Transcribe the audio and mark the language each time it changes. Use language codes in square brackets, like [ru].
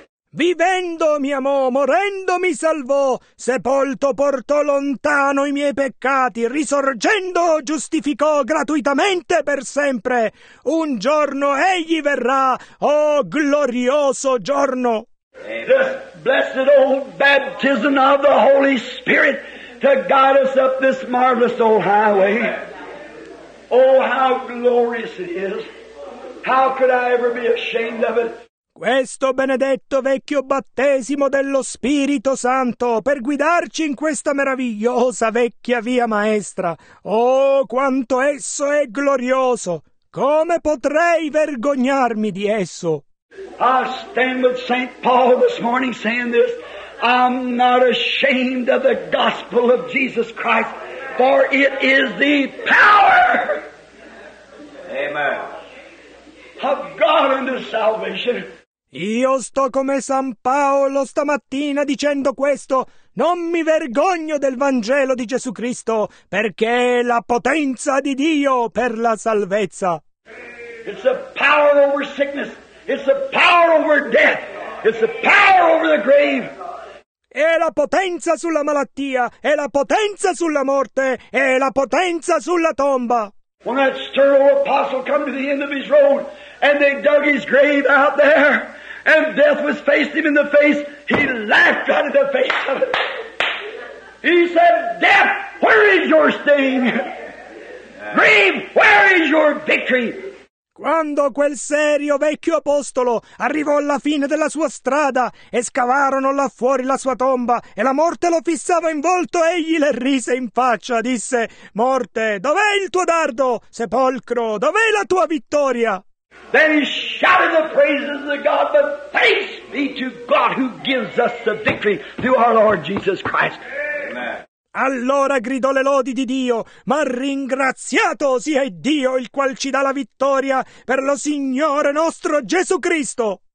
[it] Vivendo mi amò, morendo mi salvò, sepolto portò lontano i miei peccati, risorgendo giustificò gratuitamente per sempre. Un giorno egli verrà, oh glorioso giorno. [en] This blessed old baptism of the Holy Spirit to guide us up this marvelous old highway. Oh, how glorious it is! How could I ever be ashamed of it? [it] Questo benedetto vecchio battesimo dello Spirito Santo per guidarci in questa meravigliosa vecchia via maestra. Oh, quanto esso è glorioso! Come potrei vergognarmi di esso? [en] I stand with Saint Paul this morning saying this. I'm not ashamed of the gospel of Jesus Christ. For it is the power, amen, of God unto salvation. [it] Io sto come San Paolo stamattina dicendo questo. Non mi vergogno del Vangelo di Gesù Cristo, perché è la potenza di Dio per la salvezza. [en] It's the power over sickness. It's the power over death. It's the power over the grave. [it] È la potenza sulla malattia, è la potenza sulla morte, è la potenza sulla tomba. [en] When that sterile apostle come to the end of his road, and they dug his grave out there, and death was faced him in the face, he laughed out of the face of it. He said, death, where is your sting? Grave, where is your victory? [it] Quando quel serio vecchio apostolo arrivò alla fine della sua strada e scavarono là fuori la sua tomba e la morte lo fissava in volto, egli le rise in faccia, disse, morte, dov'è il tuo dardo? Sepolcro, dov'è la tua vittoria? [en] Then he shouted the praises of God, but thanks be to God who gives us the victory through our Lord Jesus Christ. Amen. [it] Allora gridò le lodi di Dio, ma ringraziato sia Dio il qual ci dà la vittoria per lo Signore nostro Gesù Cristo.